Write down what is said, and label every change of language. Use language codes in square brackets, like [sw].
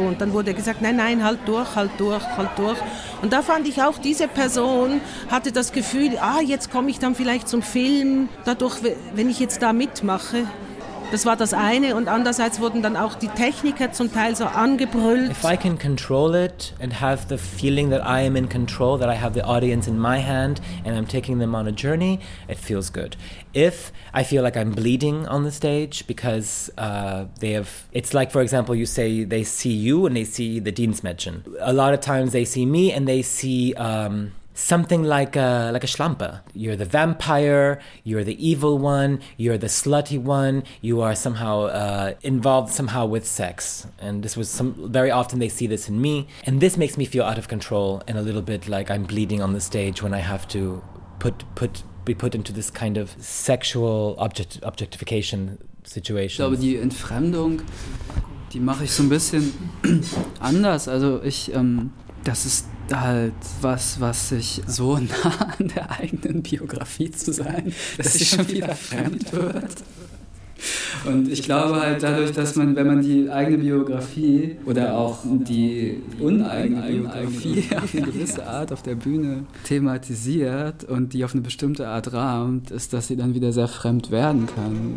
[de] Und dann wurde gesagt, nein, halt durch. Und da fand ich auch, diese Person hatte das Gefühl, jetzt komme ich dann vielleicht zum Film, dadurch, wenn ich jetzt da mitmache. Das war das eine und andererseits wurden dann auch die Techniker zum Teil so angebrüllt. [en] If I can control it and have the feeling that I am in control, that I have the audience in my hand and I'm taking them on a journey, it feels good. If I feel like I'm bleeding on the stage because it's like, for example, you say they see you and they see the Dienstmädchen. A lot of times they see me and they see something like a Schlampe. You're the vampire, you're the evil one, you're the slutty one, you are somehow involved somehow with sex. And this was very often they see this in me. And this makes me feel out of control and a little bit like I'm bleeding on the stage when I have to be put into this kind of sexual objectification situation. [de] Ich glaube, die Entfremdung, die mache ich so ein bisschen anders. Also ich, das ist halt was, was sich so nah an der eigenen Biografie zu sein, dass ich schon wieder fremd wird. Und ich glaube halt dadurch, dass man, wenn man die eigene Biografie oder auch die uneigene Biografie auf eine gewisse Art auf der Bühne thematisiert und die auf eine bestimmte Art rahmt, ist, dass sie dann wieder sehr fremd werden kann.